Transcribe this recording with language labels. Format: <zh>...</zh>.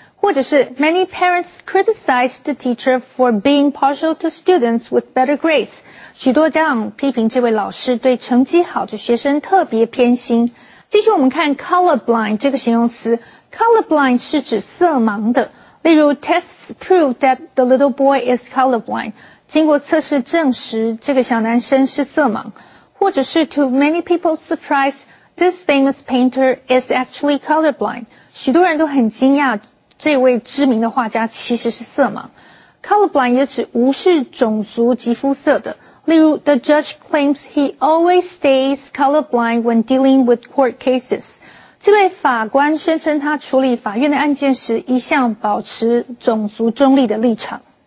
<zh>或者是</zh> <en>，Many parents criticize the teacher for being partial to students with better grades.</en> <zh>许多家长批评这位老师对成绩好的学生特别偏心。继续我们看 colorblind 这个形容词 ,colorblind 是指色盲的。例如</zh> <en>,tests prove that the little boy is colorblind.</en> <zh>经过测试证实这个小男生是色盲。或者是</zh> <en>to many people's surprise, this famous painter is actually colorblind.</en> <zh>许多人都很惊讶这位知名的画家其实是色盲。 colorblind 也指无视种族及肤色的。例如</zh> <en>,the judge claims he always stays colorblind when dealing with court cases.</en> <zh>这位法官宣称他处理法院的案件时一向保持种族中立的立场。</zh>